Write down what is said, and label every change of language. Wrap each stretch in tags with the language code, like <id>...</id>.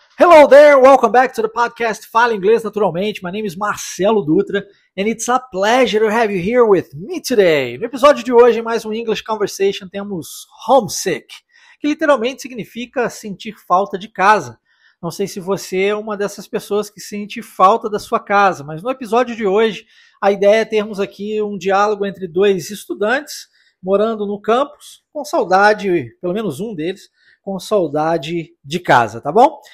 <en>Hello there, welcome back to the podcast Fala Inglês Naturalmente. My name is Marcelo Dutra, and it's a pleasure to have you here with me today.</en> <pt>No episódio de hoje, em mais um English Conversation, temos homesick, que literalmente significa sentir falta de casa. Não sei se você é uma dessas pessoas que sente falta da sua casa, mas no episódio de hoje, a ideia é termos aqui um diálogo entre dois estudantes morando no campus, com saudade, pelo menos um deles, com saudade de casa, tá bom?</pt>